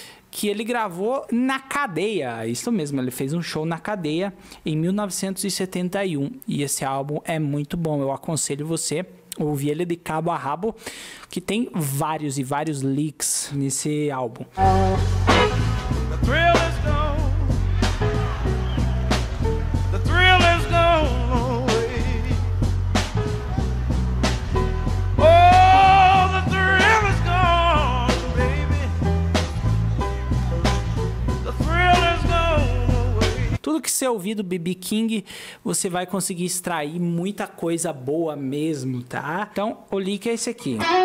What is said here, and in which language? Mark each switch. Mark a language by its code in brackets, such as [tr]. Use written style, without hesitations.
[pt] Que ele gravou na cadeia. Isso mesmo, ele fez um show na cadeia em 1971. E esse álbum é muito bom. Eu aconselho você ouvi ele de cabo a rabo, que tem vários e vários licks nesse álbum. [en] The thrill is gone. The thrill is gone, baby. Oh, the thrill is gone, baby. The thrill is gone, baby. [pt] Tudo que você ouvir do B.B. King, você vai conseguir extrair muita coisa boa mesmo, tá? Então, o lick é esse aqui.